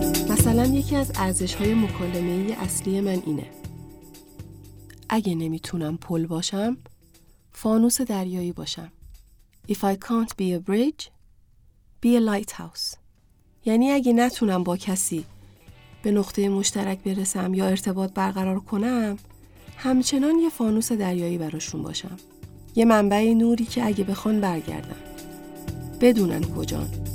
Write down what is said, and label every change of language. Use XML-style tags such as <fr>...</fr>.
<fa>مثلا یکی از ارزش‌های مکالمه‌ای اصلی من اینه: اگه نمیتونم پل باشم، فانوس دریایی باشم.</fa> <en>If I can't be a bridge, be a lighthouse.</en> <fa>یعنی اگه نتونم با کسی به نقطه مشترک برسم یا ارتباط برقرار کنم، همچنان یه فانوس دریایی براشون باشم. یه منبع نوری که اگه بخون برگردن، بدونن کجان.</fa>